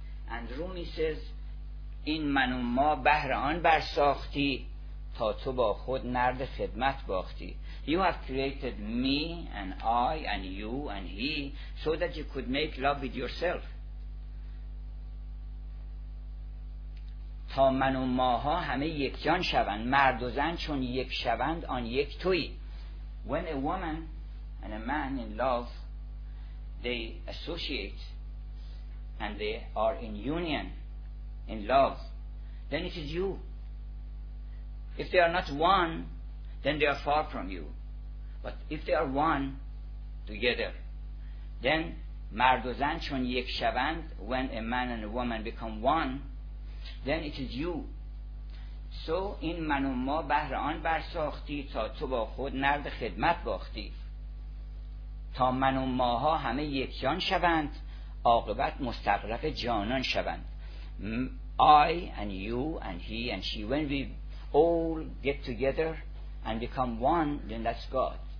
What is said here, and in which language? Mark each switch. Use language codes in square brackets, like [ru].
[en] And Rumi says, [fa] این من و ما بهر آن برساختی تا تو با خود نرد خدمت باختی. [en] You have created me and I and you and he so that you could make love with yourself. [fa] تا من و ماها همه یک جان شوند. مرد و زن چون یک شوند آن یک توی. [en] When a woman and a man in love, they associate and they are in union, in love, then it is you. If they are not one, then they are far from you. But if they are one together, then [fa] مرد و زن چون یک شوند, [en] when a man and a woman become one, then it is you. [fa] So این من و ما بهر آن برساختی تا تو با خود نرد خدمت باختی. تا من و ماها همه یک جان شوند, عاقبت مستغرق جانان شوند. [en] I and you and he and she, when we all get together and become one, then that's God.